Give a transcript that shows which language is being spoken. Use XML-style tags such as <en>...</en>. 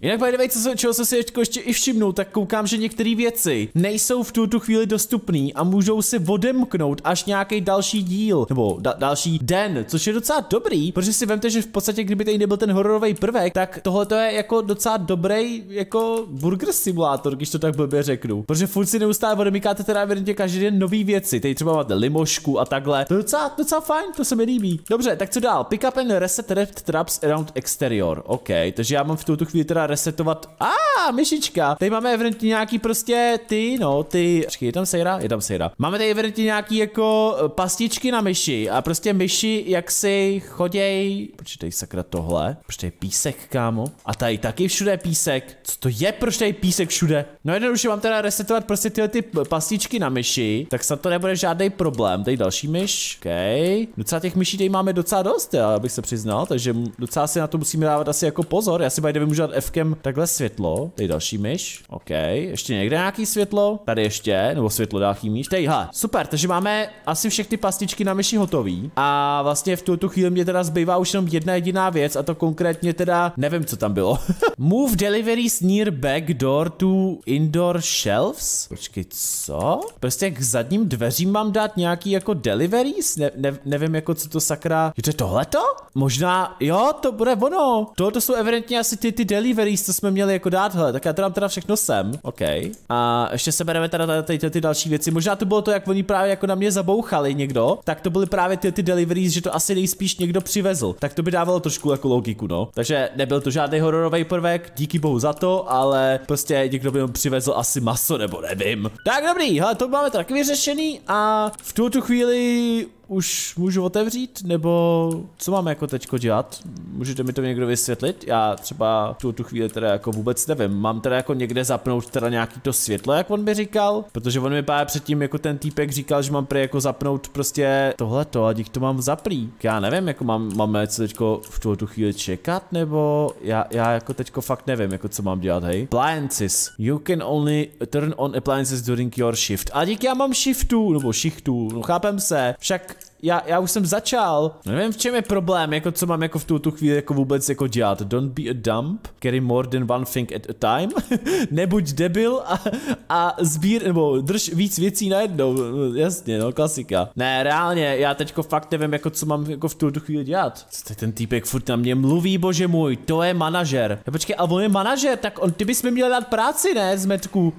<cs>Jinak</cs> <en>by the way,</en> <cs>čeho jsem si ještě i všimnul, tak koukám, že některé věci nejsou v tuto chvíli dostupné a můžou si odemknout až nějaký další díl nebo další den, což je docela dobrý, protože si vemte, že v podstatě, kdyby nebyl ten hororový prvek, tak tohle to je jako docela dobrý jako burger simulátor, když to tak blbě řeknu. Protože furt si neustále odemykáte teda evidentně každý den nový věci. Teď třeba máte limošku a takhle. To je docela fajn, to se mi líbí. Dobře, tak co dál?</cs> <en>Pick up and reset theft traps around exterior.</en> <cs>OK, takže já mám v tuto chvíli teda resetovat. A myšička. Tady máme evidentně nějaký prostě ty, no, ty. Počkej, je tam sejra? Je tam sejra. Máme tady evidentně nějaký jako pastičky na myši a prostě myši, jak si choděj. Počítej sakra. Tohle, proč tady je písek, kámo? A tady taky všude je písek. Co to je, proč tady je písek všude? No jednoduše mám teda resetovat prostě tyhle ty pastičky na myši, tak snad to nebude žádný problém. Tady další myš, okej. Okay. Docela těch myší tady máme docela dost, já bych se přiznal, takže docela si na to musíme dávat asi jako pozor. Já si</cs> <en>by the way</en> <cs>můžu dát F-kem takhle světlo. Tady další myš, okej. Okay. Ještě někde nějaký světlo? Tady ještě, nebo světlo další myš. Tady, ha, super, takže máme asi všechny pastičky na myši hotový. A vlastně v tuto chvíli mě teda zbývá už jenom jedna jediná věc a to konkrétně teda, nevím co tam bylo.</cs> <en>Move deliveries near back door to indoor shelves?</en> <cs>Počkej, co? Prostě k zadním dveřím mám dát nějaký jako deliveries? Nevím jako co to sakra. Je to tohleto? Možná, jo, to bude ono. To jsou evidentně asi ty deliveries, co jsme měli jako dát, hele, tak já to dám teda všechno sem. OK. A ještě se bereme teda ty další věci. Možná to bylo to, jak oni právě jako na mě zabouchali někdo, tak to byly právě ty deliveries, že to asi nejspíš někdo přivezl. Tak to by dávalo trošku jako logiku, no. Takže nebyl to žádný hororový prvek, díky bohu za to, ale prostě někdo by mu přivezl asi maso, nebo nevím. Tak dobrý, hele, to máme taky vyřešený a v tuto chvíli už můžu otevřít, nebo co mám jako teďko dělat? Můžete mi to někdo vysvětlit? Já třeba tu chvíli teda jako vůbec nevím. Mám teda jako někde zapnout teda nějaký to světlo, jak on mi říkal? Protože on mi právě předtím jako ten týpek říkal, že mám prý jako zapnout prostě tohleto a dík to mám zaplý. Já nevím, jako mám co teďko v tu chvíli čekat, nebo já jako teďko fakt nevím, jako co mám dělat, hej?</cs> <en>Appliances. You can only turn on appliances during your shift.</en> <cs>A dík já mám shiftu, nebo shiftu, no chápem se. Však Já už jsem začal. Nevím, v čem je problém, jako co mám jako v tu chvíli jako vůbec jako dělat.</cs> <en>Don't be a dump, carry more than one thing at a time.</en> <cs>Nebuď debil a sbír, nebo drž víc věcí najednou. Jasně, no klasika. Ne, reálně, já teďko fakt nevím, jako co mám jako v tu chvíli dělat. Co ten týpek furt na mě mluví, bože můj, to je manažer. Já počkej, ale on je manažer, tak on, ty bys mi měl dát práci, ne, zmetku.</cs>